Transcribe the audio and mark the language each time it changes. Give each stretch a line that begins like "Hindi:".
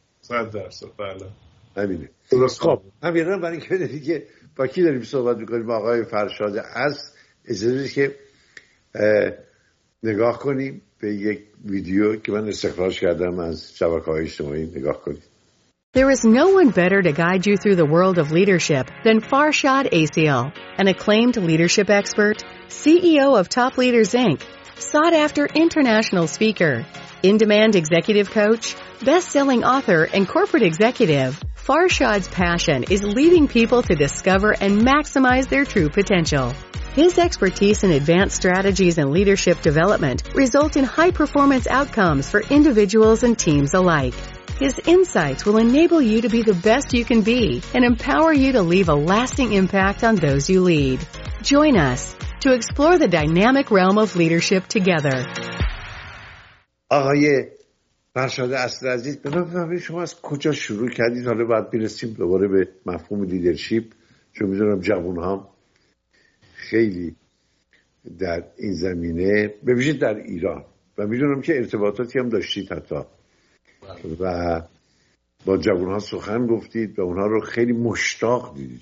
Persian: 100%. بله همینه. خب همینه، برای این که دیگه با کی داریم صحبت میکنیم؟ آقای فرشاد از ازدید که نگاه کنیم به یک ویدیو که من استخراج کردم از شبکه‌های اجتماعی. نگاه کنید.
English: There is no one better to guide you through the world of leadership than Farshad ACL, an acclaimed leadership expert, CEO of Top Leaders Inc., sought-after international speaker, in-demand executive coach, best-selling author, and corporate executive. Farshad's passion is leading people to discover and maximize their true potential. His expertise in advanced strategies and leadership development result in high-performance outcomes for individuals and teams alike. His insights will enable you to be the best you can be and empower you to leave a lasting impact on those you lead. Join us to explore the dynamic realm of leadership together.
Persian: آقای فرشاد اصل عزیز، بفرمایید شما از کجا شروع کردید؟ حالا بعد می‌رسیم دوباره به مفهوم لیدرشپ، چون می‌دونم جوان‌ها خیلی در این زمینه، به ویژه در ایران، و میدونم که ارتباطاتی هم داشتید حتی و با جوانها سخن گفتید و اونها رو خیلی مشتاق دیدید.